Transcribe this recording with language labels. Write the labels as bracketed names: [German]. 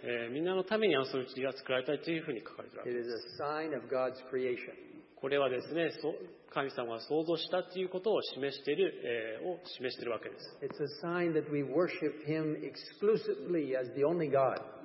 [Japanese] みんなのために安息日が作られたというふうに書かれています。 [English] It is a sign of God's creation. [Japanese] これはですね、神様が創造したということを示している、を示しているわけです。 [English] It's a sign that we worship Him exclusively as the only God.